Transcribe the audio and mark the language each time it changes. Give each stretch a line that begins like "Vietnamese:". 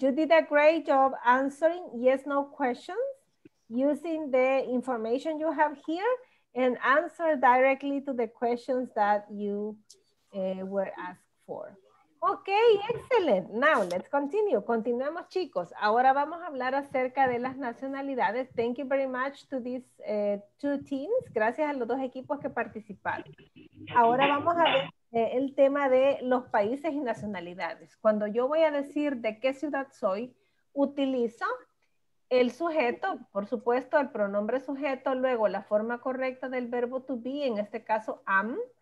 English: You did a great job answering yes, no questions using the information you have here and answer directly to the questions that you were asked for. Okay, excellent. Now, let's continue.
Spanish: Continuemos, chicos. Ahora vamos a hablar acerca de las nacionalidades.
English: Thank you very much to these two teams.
Spanish: Gracias a los dos equipos que participaron. Ahora vamos a ver el tema de los países y nacionalidades. Cuando yo voy a decir de qué ciudad soy, utilizo el sujeto, por supuesto, el pronombre sujeto, luego la forma correcta del verbo to be, en este caso am.